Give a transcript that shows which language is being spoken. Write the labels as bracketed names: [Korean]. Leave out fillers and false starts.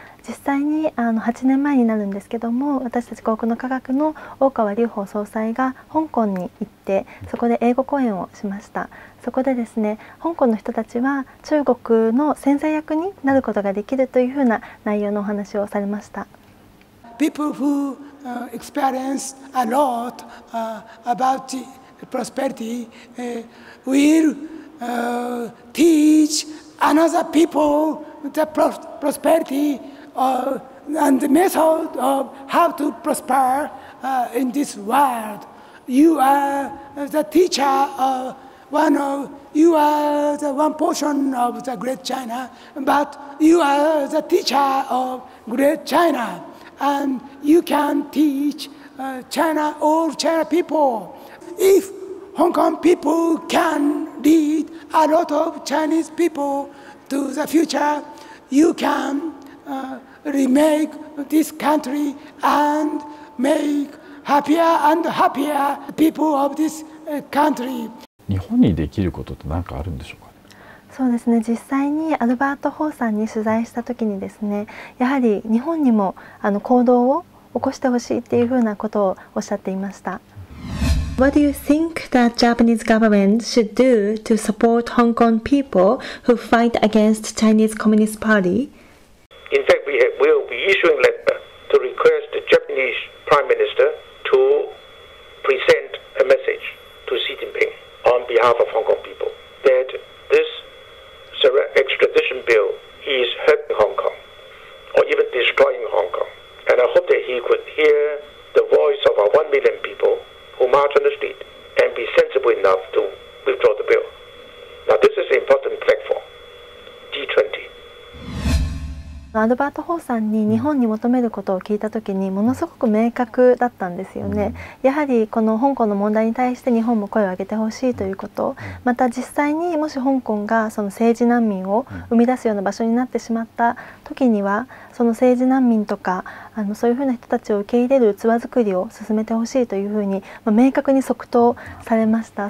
[Japanese] 実際に8年前になるんですけども、私たち幸福の科学の大川隆法総裁が香港に行ってそこで英語講演をしました。そこでですね、香港の人たちは中国の潜在役になることができるというふうな内容のお話をされました。 [English] People who experience a lot about the prosperity will teach another people the prosperityand the method of how to prosper in this world. You are the teacher of you are the one portion of the Great China, but you are the teacher of Great China, and you can teach China, all China people. If Hong Kong people can lead a lot of Chinese people to the future, you can remake this country and make happier and happier people of this country. [Japanese] 日本にできることって何かあるんでしょうか。そうですね、実際にアルバート・ホーさんに取材した時にですね、やはり日本にも行動を起こしてほしいっていうふうなことをおっしゃっていました。 [English] What do you think that Japanese government should do to support Hong Kong people who fight against Chinese Communist Party? In fact, we will be issuing a letter to request the Japanese Prime Minister to present a message to Xi Jinping on behalf of Hong Kong people that this extradition bill is hurting Hong Kong or even destroying Hong Kong. And I hope that he could hear the voice of our 1 million people who march on the street and be sensible enough to withdraw the bill. Now this is an important platform, G20. [Japanese] アルバート・ホーさんに日本に求めることを聞いたときにものすごく明確だったんですよね。やはりこの香港の問題に対して日本も声を上げてほしいということ、また実際にもし香港がその政治難民を生み出すような場所になってしまったときには、その政治難民とかそういうふうな人たちを受け入れる器作りを進めてほしいというふうに、明確に即答されました。